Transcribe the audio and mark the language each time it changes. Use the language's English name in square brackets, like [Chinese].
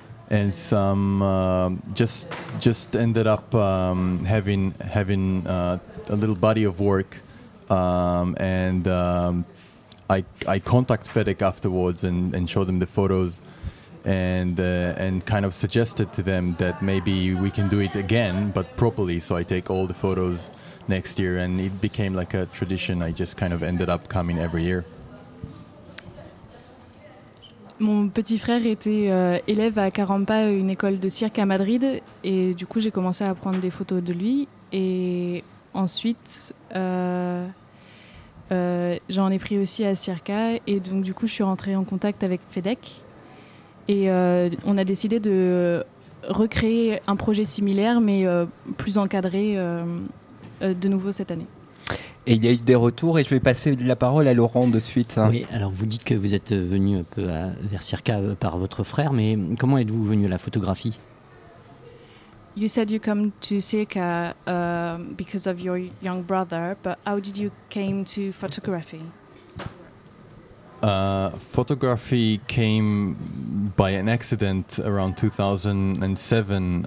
[English] And some just ended up having a little body of work, I contacted FEDEC afterwards and showed them the photos, and kind of suggested to them that maybe we can do it again but properly, so I take all the photos next year, and it became like a tradition. I just kind of ended up coming every year. [French] Mon petit frère était élève à Carampa, une école de cirque à Madrid, et du coup j'ai commencé à prendre des photos de lui, et ensuite j'en ai pris aussi à Circa, et donc du coup je suis rentrée en contact avec FEDEC, et on a décidé de recréer un projet similaire mais plus encadré de nouveau cette année. Et il y a eu des retours et je vais passer la parole à Laurent de suite. Oui, alors vous dites que vous êtes venu un peu vers Circa par votre frère, mais comment êtes-vous venu à la photographie? [English] You said you come to Circa because of your young brother, but how did you came to photography? Photography came by an accident around 2007.